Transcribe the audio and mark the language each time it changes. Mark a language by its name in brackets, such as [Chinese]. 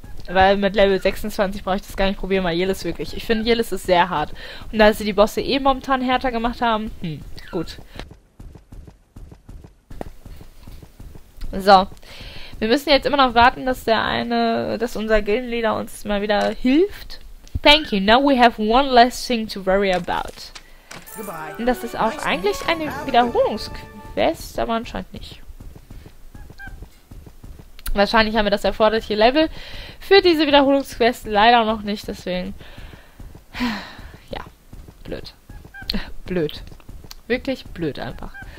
[German] Weil mit Level 26 brauche ich das gar nicht probieren, weil Yillis wirklich... Ich finde, Yillis ist sehr hart. Und da sie die Bosse eh momentan härter gemacht haben, gut. So. Wir müssen jetzt immer noch warten, dass der eine, dass unser Gildenleader uns mal wieder hilft. [English] Thank you. Now we have one less thing to worry about. [German] Und das ist auch eigentlich eine Wiederholungsquest, aber anscheinend nicht. Wahrscheinlich haben wir das erforderliche Level für diese Wiederholungsquest leider noch nicht, deswegen. Ja. Blöd. Blöd. Wirklich blöd einfach.